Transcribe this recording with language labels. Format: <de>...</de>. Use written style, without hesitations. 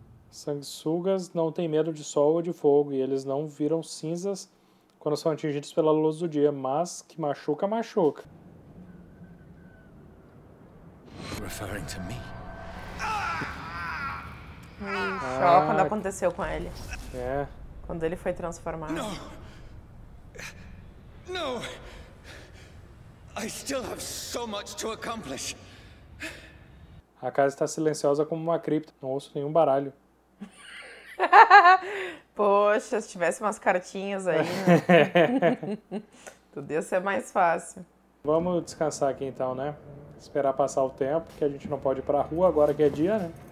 <pt>Sanguessugas não têm medo de sol ou de fogo e eles não viram cinzas quando são atingidos pela luz do dia, mas que machuca, machuca.</pt> <en>Referring to me.</en> <pt>Só quando aconteceu com ele. É. Quando ele foi transformado. Não! Não!</pt> <en>I still have so much to accomplish.</en> <pt>A casa está silenciosa como uma cripta. Não ouço nenhum baralho. Poxa, se tivesse umas cartinhas aí, né? Tudo ia ser mais fácil. Vamos descansar aqui então, né? Esperar passar o tempo, que a gente não pode ir pra rua agora que é dia, né?</pt>